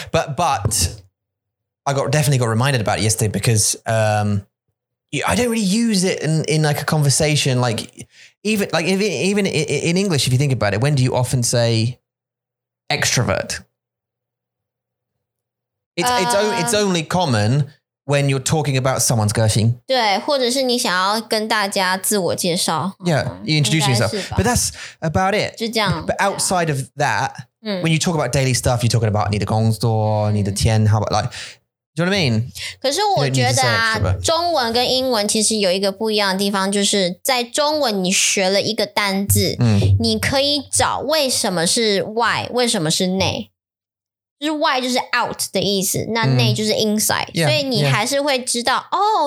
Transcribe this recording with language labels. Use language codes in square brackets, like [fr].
[en] But I definitely got reminded about it yesterday because I don't really use it in like a conversation, even in English, if you think about it, when do you often say... extrovert. It's only common when you're talking about someone's 个性. [zh] 对,或者是你想要跟大家自我介绍. [en] Yeah, you introduce yourself. But that's about it. [zh] 就这样, [en] but outside of that, when you talk about daily stuff, you're talking about [zh] 你的工作, 你的天, [en] how about like Do you know what I mean? [zh] 可是我觉得啊 中文跟英文其实有一个不一样的地方就是在中文你学了一个单字、嗯、你可以找为什么是外为什么是内就是外就是 out 的意思那内就是 inside、嗯、所以你还是会知道、yeah.